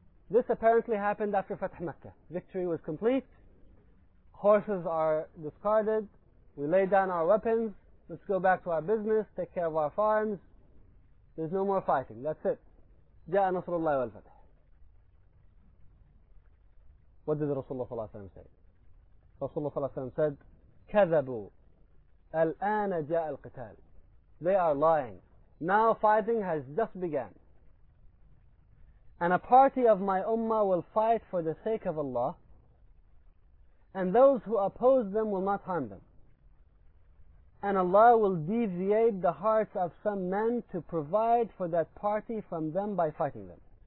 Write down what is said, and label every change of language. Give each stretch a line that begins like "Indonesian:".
English: This apparently happened after Fath Makkah. Victory was complete. Horses are discarded. We lay down our weapons. Let's go back to our business. Take care of our farms. There's no more fighting. That's it.
Arabic: Ja'a Nasrullah wal Fath.
English: What did Rasulullah ﷺ say? Rasulullah ﷺ said,
Arabic: كَذَبُوا الْآنَ جَاءَ الْقِتَالِ.
English: They are lying. Now fighting has just begun. And a party of my ummah will fight for the sake of Allah, and those who oppose them will not harm them. And Allah will deviate the hearts of some men to provide for that party from them by fighting them.